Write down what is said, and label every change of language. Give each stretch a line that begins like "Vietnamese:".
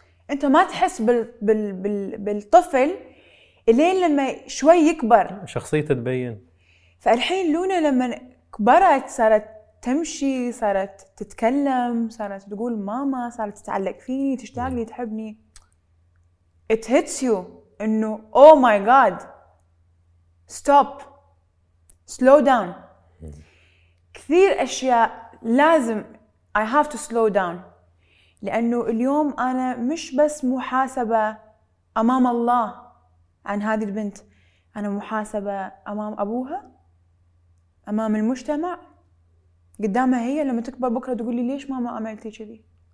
Arabic: انت ما تحس بالطفل الين لما شوي يكبر شخصيته تبين. فالحين لونا لما كبرت صارت تمشي، صارت تتكلم، صارت تقول ماما، صارت تتعلق فيني، تشتاق لي، تحبني.
English: It hits you انه oh my god stop slow down.
Arabic: كثير أشياء لازم
English: I have to slow down،
Arabic: لأنه اليوم أنا مش بس محاسبة أمام الله عن هذه البنت، أنا محاسبة أمام أبوها، أمام المجتمع، قدامها هي لما تكبر بكرة تقول لي ليش ماما عملتي كذي.